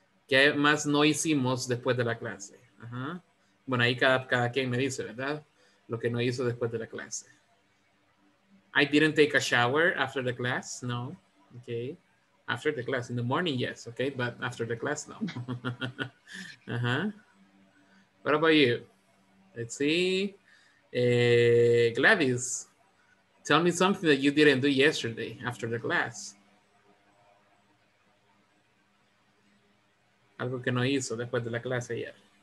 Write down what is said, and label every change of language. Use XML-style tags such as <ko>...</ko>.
<es>¿Qué más no hicimos después de la clase? Ajá. Bueno, ahí cada quien me dice, ¿verdad? Lo que no hizo después de la clase.</es> <en>I didn't take a shower after the class, no. Okay. After the class, in the morning, yes, okay. But after the class, no. Ajá. What about you? Let's see. Gladys, tell me something that you didn't do yesterday after the class.</en> <es>Algo que no hizo después de la clase ayer.</es>